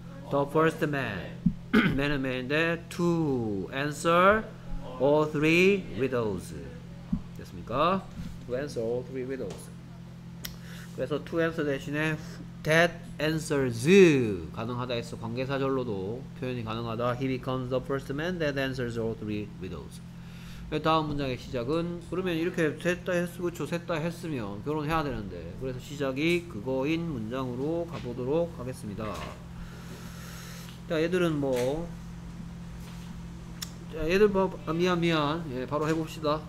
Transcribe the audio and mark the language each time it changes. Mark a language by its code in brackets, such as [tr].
[en] The first man. man은 man인데 to answer all three riddles. [ko] 됐습니까? [en] To answer all three riddles. [ko] 그래서 [en] to answer [ko] 대신에 [en] that answers [ko] 가능하다 했어. 관계사절로도 표현이 가능하다. [en] He becomes the first man that answers all three riddles. [ko] 다음 문장의 시작은 그러면 이렇게 셋 다 했으면 결혼해야 되는데 그래서 시작이 그거인 문장으로 가보도록 하겠습니다. 자, 얘들은 뭐 얘들 봐. 아, 미안. 예, 바로 해봅시다.